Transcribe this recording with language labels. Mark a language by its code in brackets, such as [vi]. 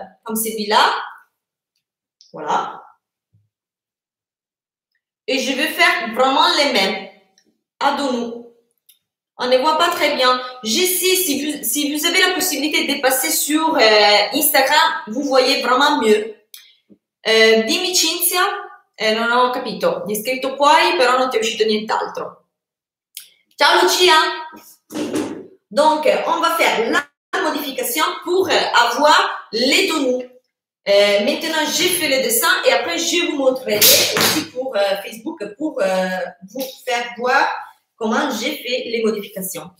[fr] Comme celui-là, voilà, et je vais faire vraiment les mêmes à dos. On ne voit pas très bien. Je sais, si vous avez la possibilité de passer sur Instagram, vous voyez vraiment mieux. [it] Dimmi Cinzia, non ho capito, mi è scritto poi, però non ti è uscito nient'altro. Ciao Lucia. [fr] Donc on va faire la modification pour avoir les dos. Maintenant, j'ai fait le dessin et après, je vous montrerai aussi pour Facebook pour vous faire voir comment j'ai fait les modifications.